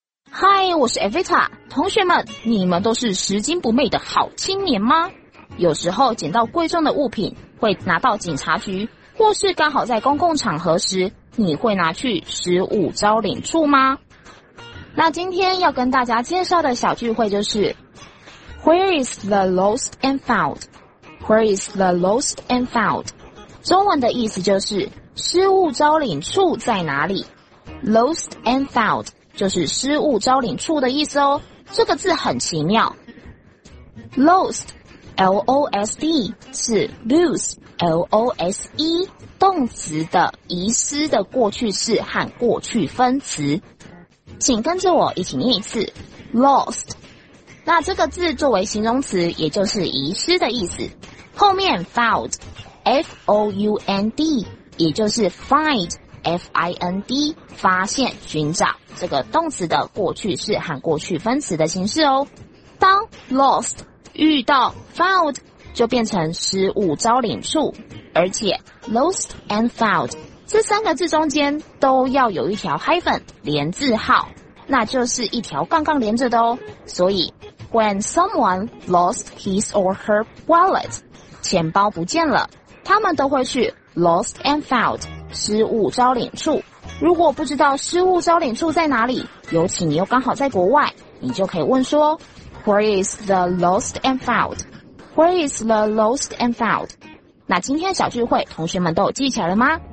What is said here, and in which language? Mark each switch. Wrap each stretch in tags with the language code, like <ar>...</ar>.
<zh>嗨，我是 Evita， 同学们，你们都是拾金不昧的好青年吗？有时候捡到贵重的物品，会拿到警察局，或是刚好在公共场合时，你会拿去拾物招领处吗？那今天要跟大家介绍的小聚会就是。</zh> <en>Where is the lost and found? Where is the lost and found?</en> <zh>中文的意思就是失物招领处在哪里？</zh> <en>Lost and found</en> <zh>就是失物招领处的意思哦。这个字很奇妙。 Lost, L-O-S-D 是 lose, L-O-S-E 动词的遗失的过去式和过去分词。请跟着我一起念一次 Lost。那这个字作为形容词，也就是遗失的意思，后面 found found， 也就是 find， F-I-N-D， 发现、寻找，这个动词的过去式和过去分词的形式哦。当 lost 遇到 found， 就变成失物招领处，而且</zh> <en>lost and found</en> <zh>这三个字中间都要有一条 hyphen 连字号，那就是一条杠杠连着的哦。所以</zh> <en>when someone lost his or her wallet，</en> <zh>钱包不见了，他们都会去</zh> <en>lost and found，</en> <zh>失物招领处。如果不知道失物招领处在哪里，尤其你又刚好在国外，你就可以问说</zh> <en>Where is the lost and found？ Where is the lost and found？</en> <zh>那今天的小聚会同学们都有记起来了吗？</zh>